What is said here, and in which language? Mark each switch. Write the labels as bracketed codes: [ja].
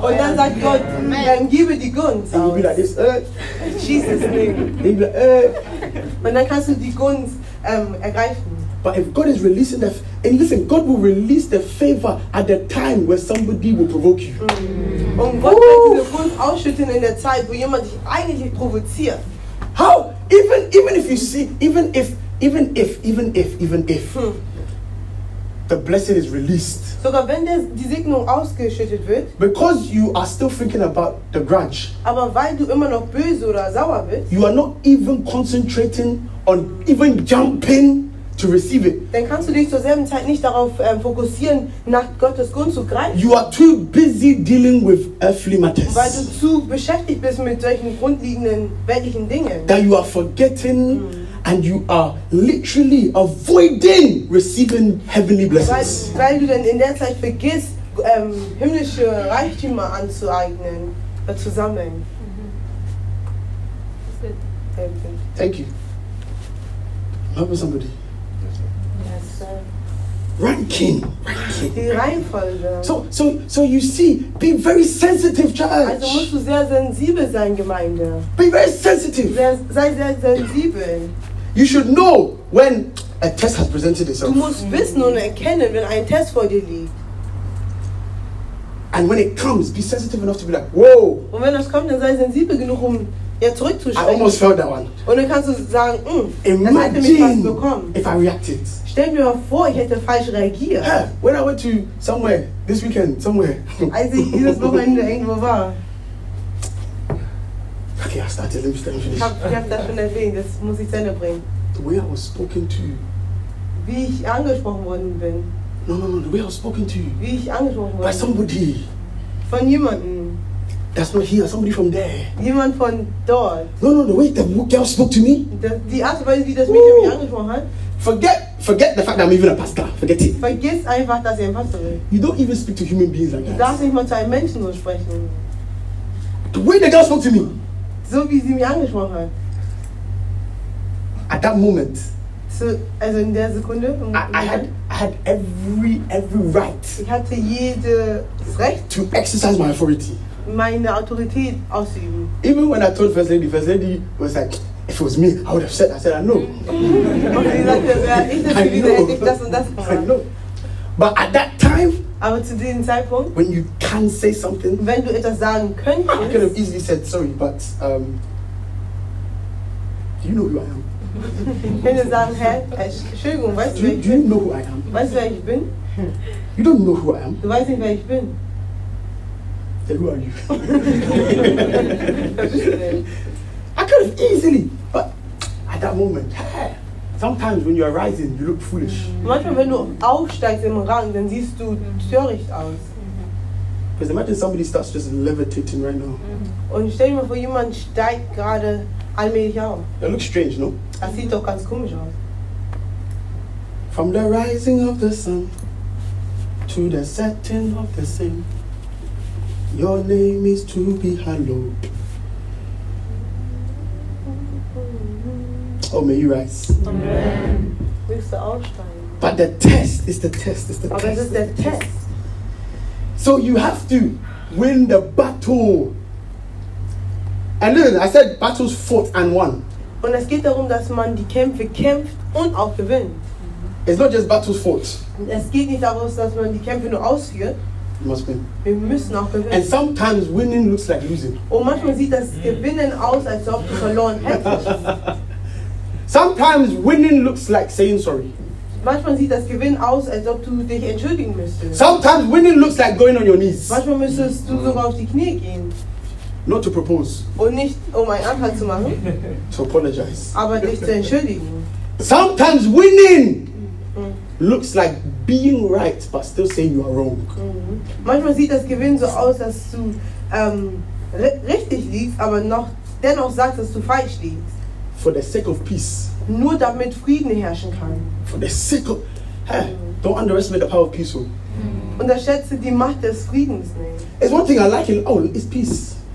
[en] Oh, that's like God, then give it the guns. And you'll be like this, Jesus name. And you'll be like, But then [de] kannst du die guns ergreifen. [en] But if God is releasing and listen, God will release the favor at the time where somebody will provoke you. [de] Und Gott wird diese guns ausschütten in der Zeit, wo jemand dich eigentlich provoziert. [en] How? Even if the blessing is released. [de] Sogar wenn die Segnung ausgeschüttet wird. [en] Because you are still thinking about the grudge. [de] Aber weil du immer noch böse oder sauer bist. [en] You are not even concentrating on even jumping to receive it. [de] Dann kannst du dich zur selben Zeit nicht darauf fokussieren, nach Gottes Gunst zu greifen. [en] You are too busy dealing with earthly matters. [de] Weil du zu beschäftigt bist mit solchen grundlegenden weltlichen Dingen. [en] That you are forgetting. And you are literally avoiding receiving heavenly blessings. [de] Weil du dann in der Zeit vergisst, himmlische Reichtümer anzueignen, zu sammeln. [en] Thank you. Help somebody. Yes, sir. Ranking. Ranking. So you see, be very sensitive, church. [de] Also musst du sehr sensibel sein, Gemeinde. [en] Be very sensitive. [de] Sei sehr sensibel. [en] You should know when a test has presented itself. [de] Du musst wissen und erkennen, wenn ein Test vor dir liegt. [en] And when it comes, be sensitive enough to be like, whoa. [de] Und wenn es kommt, dann sei sensibel genug, um zurückzuschauen. [en] I almost felt that one. [de] Und dann kannst du sagen, [en] imagine if I reacted. [de] Stell dir mal vor, ich hätte falsch reagiert. [en] Yeah, when I went to somewhere this weekend, somewhere. [de] Als ich dieses Wochenende irgendwo war. [en] Okay, I started. Let me finish. [de] Ich hab das schon erwähnt. Das muss ich zu Ende bringen. [en] The way I was spoken to. [de] Wie ich angesprochen worden bin. [en] No. The way I was spoken to. [de] Wie ich angesprochen worden. [en] By somebody. [de] Von jemandem. [en] That's not here. Somebody from there. [de] Jemand von dort. [en] No. The way the girl spoke to me. [de] Die Art und Weise, wie das Mädchen mich angesprochen hat. [en] Forget the fact that I'm even a pastor. Forget it. [de] Vergiss einfach, dass ich ein Pastor bin. [en] You don't even speak to human beings like that. [de] Du darfst nicht mal zu einem Menschen so sprechen. [en] The way the girl spoke to me. [de] So wie sie mich angesprochen hat. [en] At that moment. [de] So, also in der Sekunde. [en] I had every right. [de] Ich hatte jedes Recht. [en] To exercise my authority. [de] Meine Autorität auszuüben. [en] Even when I told First Lady was like. If it was me, I would have said, I know. I know. But at that time, [de] aber zu diesem Zeitpunkt, [en] when you can say something, [de] wenn du etwas sagen könntest, [en] I could have easily said, sorry, but do you know who I am? do you know who I am? [de] Weißt du, wer ich bin? [en] You don't know who I am. [de] Du weißt nicht, wer ich bin. [en] Then who are you? I could have easily, but at that moment, sometimes when you are rising, you look foolish. [de] Manchmal, wenn du aufsteigst im Rang, dann siehst du töricht aus. [en] Because imagine somebody starts just levitating right now. [de] Und stell dir mal vor, jemand steigt gerade allmählich auf. [en] That looks strange, no? [de] Das sieht doch ganz komisch aus. [en] From the rising of the sun to the setting of the same, your name is to be hallowed. Oh, may you rise. Amen. But the test is the test. It's the [de] aber [en] test. [de] Es ist der test. [en] So you have to win the battle. And listen, I said battles fought and won. [de] Und es geht darum, dass man die Kämpfe kämpft und auch gewinnt. [en] It's not just battles fought. [de] Es geht nicht darum, dass man die Kämpfe nur ausführt. [en] You must win. [de] Wir müssen auch gewinnen. [en] And sometimes winning looks like losing. [de] Und manchmal sieht das Gewinnen aus, als ob du verloren hättest. [en] Sometimes winning looks like saying sorry. [de] Manchmal sieht das Gewinn aus, als ob du dich entschuldigen müsstest. [en] Sometimes winning looks like going on your knees. [de] Manchmal müsstest du sogar auf die Knie gehen. [en] Not to propose. [de] Und nicht um einen Antrag zu machen. [en] To apologize. [de] Aber dich zu entschuldigen. [en] Sometimes winning looks like being right, but still saying you are wrong. [de] Manchmal sieht das Gewinn so aus, dass du richtig liegst, aber noch dennoch sagst, dass du falsch liegst. [en] For the sake of peace. [de] Nur damit Frieden herrschen kann. [en] For the sake of, don't underestimate the power of peace. [de] Unterschätze die Macht des Friedens nicht. [en] It's one thing I like in all is peace.